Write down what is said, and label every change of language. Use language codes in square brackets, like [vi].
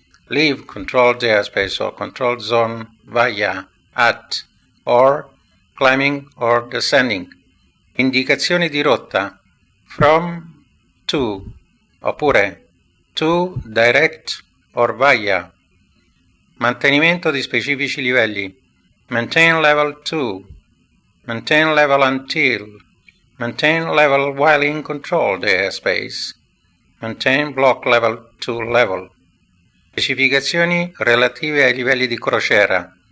[en] Leave controlled airspace or control zone via, at, or, climbing or descending. [it] Indicazioni di rotta. [en] From, to, [it] oppure, [en] to, direct, or via. [it] Mantenimento di specifici livelli. [en] Maintain level 2. Maintain level until. Maintain level while in controlled airspace. Maintain block level 2 level. [it] Specificazioni relative ai livelli di crociera.